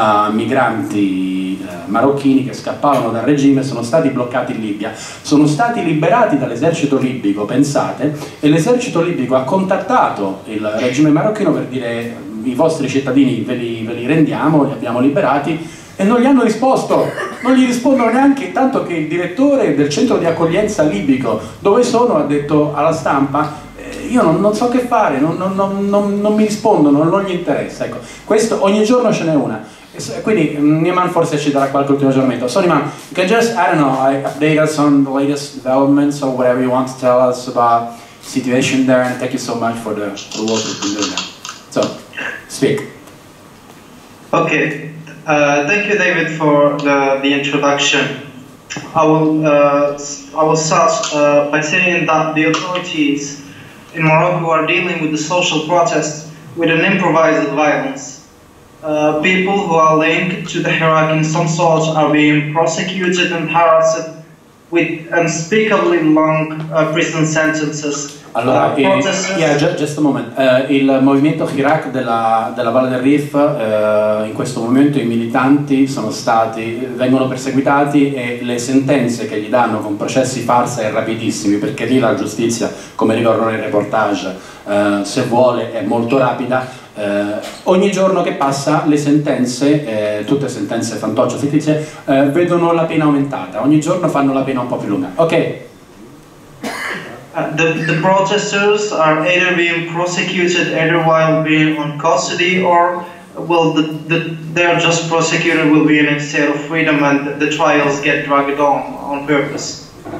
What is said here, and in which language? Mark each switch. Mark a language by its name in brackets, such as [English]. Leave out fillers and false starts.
[Italian] migranti marocchini che scappavano dal regime, sono stati bloccati in Libia, sono stati liberati dall'esercito libico, pensate, e l'esercito libico ha contattato il regime marocchino per dire i vostri cittadini ve li rendiamo, li abbiamo liberati, e non gli hanno risposto, non gli rispondono neanche, tanto che il direttore del centro di accoglienza libico dove sono ha detto alla stampa io non so che fare, non mi rispondono, non gli interessa, ecco. Questo, ogni giorno ce n'è una. Quindi Niemann forse ci darà qualche ultimo aggiornamento. [English] So Niemann, you can just, I don't know, update us on the latest developments or whatever you want to tell us about the situation there, and thank you so much for the work you've been doing. So, speak. Okay, thank you David for the introduction. I will start by saying that the authorities in Morocco are dealing with the social protests with an improvised violence. People who are linked to the Hirak in some sort are being prosecuted and harassed with unspeakably long prison sentences. Allora, just a moment. [Italian] Il movimento Hirak della Valle del Rif, in questo momento i militanti vengono perseguitati e le sentenze che gli danno con processi farsa e rapidissimi, perché lì la giustizia, come ricordo nel reportage, se vuole è molto rapida. Ogni giorno che passa le sentenze, tutte sentenze fantoccio, fittizie, vedono la pena aumentata, ogni giorno fanno la pena un po' più lunga. Ok. [English] The protesters are either being prosecuted either while being on custody or well they are just prosecuted will be in a state of freedom and the trials get dragged on purpose.